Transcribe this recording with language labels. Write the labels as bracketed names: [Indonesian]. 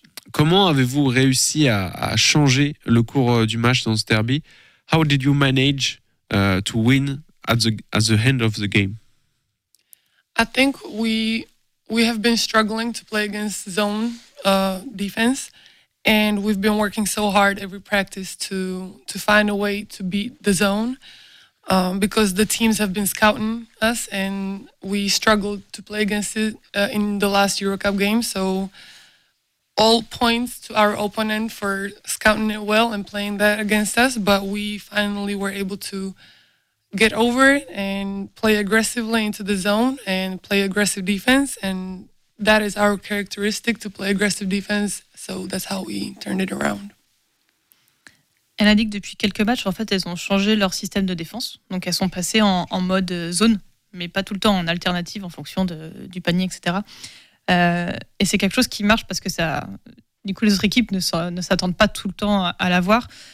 [French] Comment avez-vous réussi à changer le cours du match dans ce derby? [English] How did you manage to win at the end of the game? I think we have been struggling to play against zone defense. And we've been working so hard every practice to find a way to beat the zone because the teams have been scouting us and we struggled to play against it in the last Eurocup game. So all points to our opponent for scouting it well and playing that against us. But we finally were able to get over it and play aggressively into the zone and play aggressive defense. And that is our characteristic, to play aggressive defense. So that's how we turned it around. [French] Elle a dit que depuis quelques matchs, en fait, elles ont changé leur système de défense. Donc, elles sont passées en mode zone, mais pas tout le temps, en alternative, en fonction du panier, etc. Et c'est quelque chose qui marche parce que ça, du coup, les autres équipes ne s'attendent pas tout le temps à l'avoir.